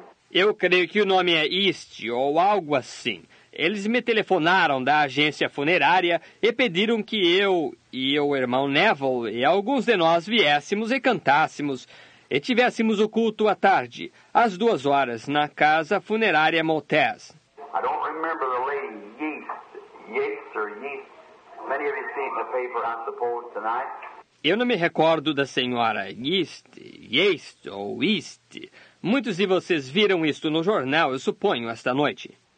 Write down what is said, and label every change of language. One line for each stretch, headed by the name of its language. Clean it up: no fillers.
Portuguese: Eu creio que o nome é East ou algo assim. Eles me telefonaram da agência funerária e pediram que eu e o irmão Neville e alguns de nós viéssemos e cantássemos e tivéssemos o culto à tarde, às 2 horas, na casa funerária Moltes.
English: I don't remember the lady Yeast. Many of you see it in the paper, I suppose, tonight.
Portuguese: Eu não me recordo da senhora Yeast, Yeast ou East. Muitos de vocês viram isto no jornal, eu suponho, esta noite.